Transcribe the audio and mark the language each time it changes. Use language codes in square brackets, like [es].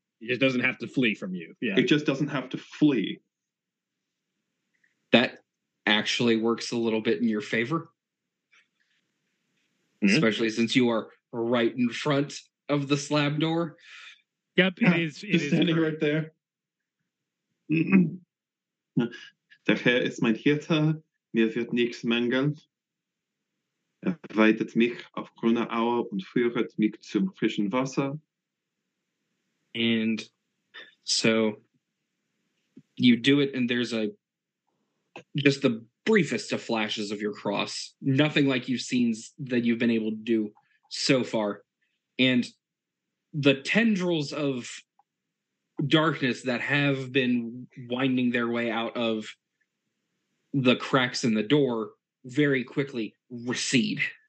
[en] It just doesn't have to flee from you. Yeah. It just doesn't have to flee. That actually works a little bit in your favor. Mm-hmm. Especially since you are right in front of the slab door. Yep, it is standing right there. [de] Der Herr ist mein Hirte, mir wird nichts mangeln. Er weidet mich auf grüne Aue und führet mich zum frischen Wasser. [en] And so you do it, and there's a just the briefest of flashes of your cross. Nothing like you've seen that you've been able to do so far. And the tendrils of darkness that have been winding their way out of the cracks in the door very quickly recede.